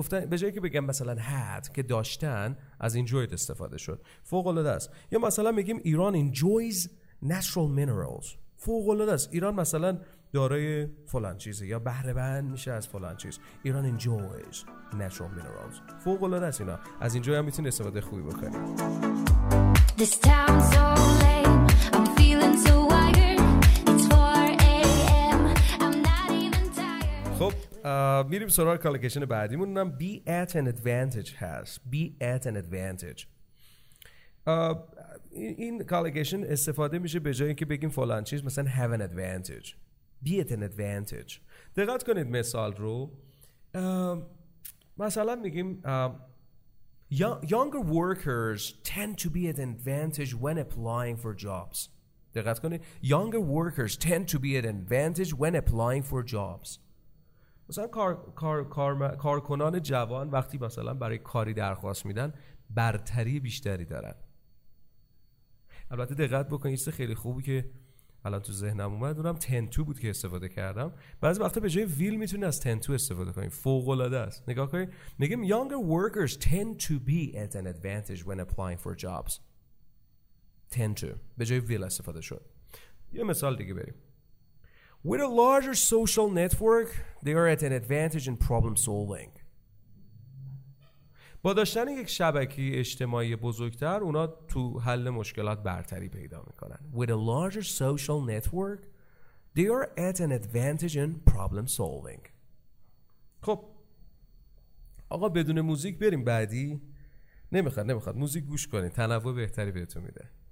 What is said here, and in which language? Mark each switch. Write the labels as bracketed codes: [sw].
[fa] به جایی که بگم مثلا had که داشتن، از enjoyed استفاده شد، فوق‌العاده است. یا مثلا میگیم ایران [en] enjoys natural minerals، [fa] فوق‌العاده است. ایران مثلا دارای فلان چیزه یا بهره‌مند میشه از فلان چیز. ایران [en] enjoys natural minerals، [fa] فوق‌العاده است. اینا از enjoy هم میتونی استفاده خوبی بکنی. [en] This town's all lame, I'm feeling so wired, it's 4 AM, I'm not even tired. [fa] خب میریم سراغ کالکشن بعدیمون، اونم be at an advantage هست. [en] be at an advantage [fa] این کالکشن استفاده میشه به جایی که بگیم فلان چیز، مثلا [en] have an advantage. Be at an advantage. [fa] دقت کنید مثال رو. مثلا میگیم [en] younger workers tend to be at an advantage when applying for jobs. [fa] دقت کنید [en] younger workers tend to be at an advantage when applying for jobs. [fa] مثلا کارکنان جوان وقتی مثلا برای کاری درخواست میدن برتری بیشتری دارن. البته دقت بکنید این چیز خیلی خوبی که الان تو ذهنم اومد، اونم تنتو بود که استفاده کردم. بعضی وقتا به جای ویل میتونی از تنتو استفاده کنی، فوق‌العاده است. نگاه کنید، میگیم [en] younger workers tend to be at an advantage when applying for jobs. [fa] tend to به جای ویل استفاده شد. یه مثال دیگه بریم. [en] With a larger social network they are at an advantage in problem solving. [fa] با داشتن یک شبکه اجتماعی بزرگتر اونا تو حل مشکلات برتری پیدا میکنن. [en] With a larger social network they are at an advantage in problem solving. [fa] خب آقا بدون موزیک بریم بعدی. نمیخواد موزیک گوش کنی، تنوع بهتری بهتون میده.